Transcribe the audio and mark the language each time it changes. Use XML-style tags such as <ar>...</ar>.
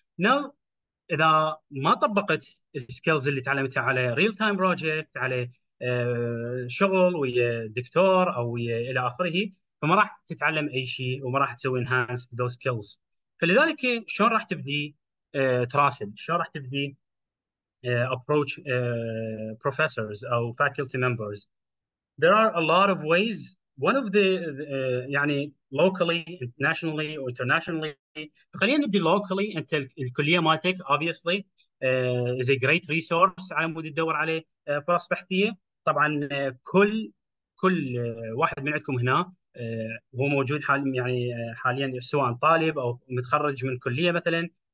<ar>Now اذا ما طبقت السكيلز اللي تعلمتها على ريل تايم بروجكت، على شغل ويا دكتور او ويا الى اخره، فما راح تتعلم اي شيء، وما راح تسوي</ar> <en>Enhance the skills.</en> <ar>فلذلك شلون راح تبدي تراسل، شلون راح تبدي ابروتش بروفيسورز او فاكولتي ممبرز؟</ar> <en>There are a lot of ways. One of the يعني locally, nationally, or internationally.</en> <ar>خلينا نبدي locally. أنت الكلية مالتك</ar> <en>obviously is a great resource</en> <ar>على مود تدور عليه فرص بحثية. طبعا كل واحد من عندكم هنا هو موجود حال يعني حاليا، سواء طالب أو متخرج من كلية مثلا.</ar>